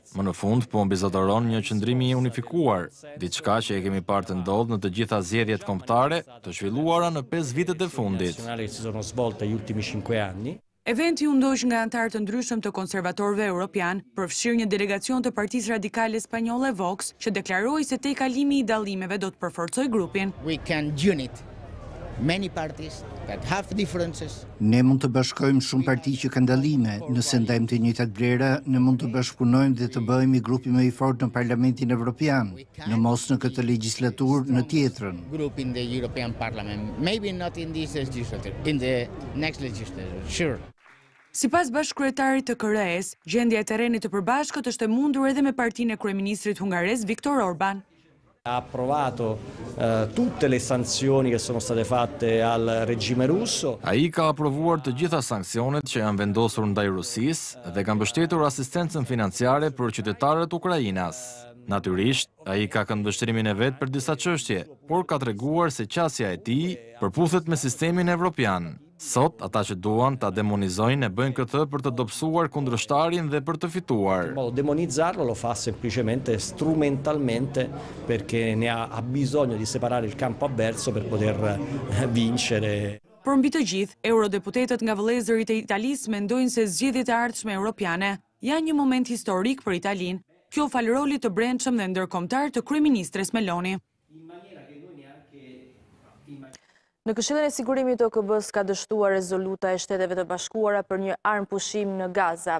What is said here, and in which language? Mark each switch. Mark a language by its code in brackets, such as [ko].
[sq] Më në fund po mbizotëron një qëndrimi i unifikuar, diçka që e kemi parë të ndodhë në të gjitha zgjedhjet kombëtare të zhvilluara në 5 vitet e fundit. Eventi u ndoq nga antar të ndryshëm të konservatorëve europian, përfshirë një delegacion të Partisë Radikale Spanjolle Vox, që deklaroi se tej kalimi i dallimeve do të përforcojë grupin. [en] We can unite many parties that have differences. [sq] Ne mund të bashkojmë shumë parti që kanë dallime, nëse ndajmë të njëjtat vlera, ne mund të bashkëpunojmë dhe të bëhemi grupi më i fortë në Parlamentin Evropian, në mos në këtë legjislaturë, në tjetrën. [en] Group in the European Parliament, maybe not in this legislature, in the next legislature. Sure. [sq] Sipas bashkëkryetarit të KRE-s, gjendja e terrenit të përbashkët është e mundur edhe me partinë e kryeministrit hungarez Viktor Orban. [it] Ha approvato tutte le sanzioni che sono state fatte al regime russo. [sq] Ai ka aprovuar të gjitha sanksionet që janë vendosur ndaj Rusisë dhe kanë mbështetur asistencën financiare për qytetarët Ukrainas. Natyrisht, ai ka këndvështrimin e vet për disa çështje, por ka treguar se qasja e tij përputhet me sistemin evropian. Sot, ata që duan ta demonizojnë e bëjnë këtë për të dobësuar kundrështarin dhe për të fituar. [it] Demonizarlo lo fa semplicemente strumentalmente perché ne ha bisogno di separare il campo avverso per poter vincere. [sq] Për mbi të gjithë, eurodeputetët nga vëllezërit e Italisë mendojnë se zgjedhjet e ardhshme europiane janë një moment historik për Italinë. Kjo fal rolit të brendshëm dhe ndërkombëtar të kryeministres Meloni. Në Këshillin e Sigurimit të OKB-s ka dështuar rezoluta e Shteteve të Bashkuara për një armë pushimi në Gaza.